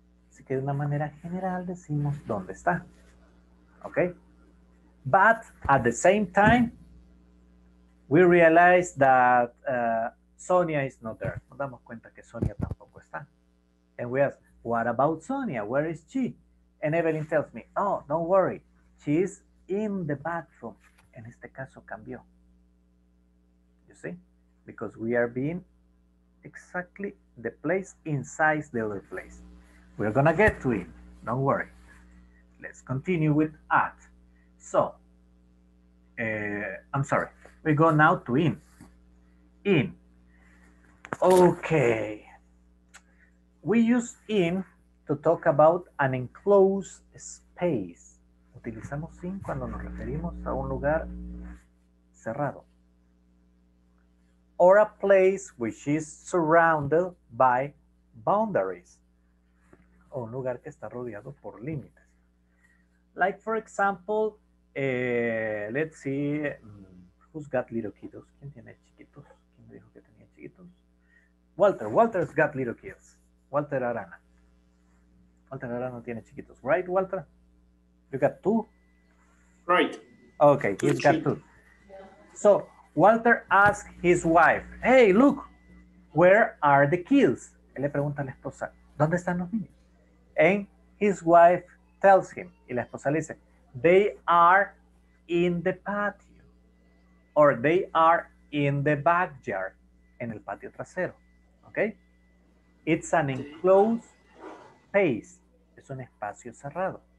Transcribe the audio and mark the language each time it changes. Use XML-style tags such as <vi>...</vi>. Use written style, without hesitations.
<es>Así que de una manera general decimos dónde está.</es> <en>Okay? But at the same time, we realize that Sonia is not there.</en> <es>Nos damos cuenta que Sonia tampoco está.</es> <en>And we ask, what about Sonia? Where is she? And Evelyn tells me, oh, don't worry. She is in the bathroom.</en> <es>En este caso cambió.</es> <en>You see? Because we are being exactly the place inside the other place. We are going to get to it. Don't worry. Let's continue with at. So, I'm sorry. We go now to in. In. Okay. We use in to talk about an enclosed space.</en> <es>Utilizamos in cuando nos referimos a un lugar cerrado.</es> <en>Or a place which is surrounded by boundaries.</en> <es>O un lugar que está rodeado por límites.</es> <en>Like, for example, let's see, who's got little kiddos?</en> <es>¿Quién tiene chiquitos? ¿Quién me dijo que tenía chiquitos? Walter.</es> <en>Walter's got little kids.</en> <es>Walter Arana. Walter Arana tiene chiquitos.</es> <en>Right, Walter? You got two? Right. Okay, he's got two. So, Walter asks his wife, hey, look, where are the kids?</en> <es>Él le pregunta a la esposa, ¿dónde están los niños?</es> <en>And his wife tells him,</en> <es>y la esposa le dice,</es> <en>they are in the patio. Or they are in the backyard.</en> <es>En el patio trasero.</es> <en>Okay? It's an enclosed space.</en> <es>Es un espacio cerrado.</es>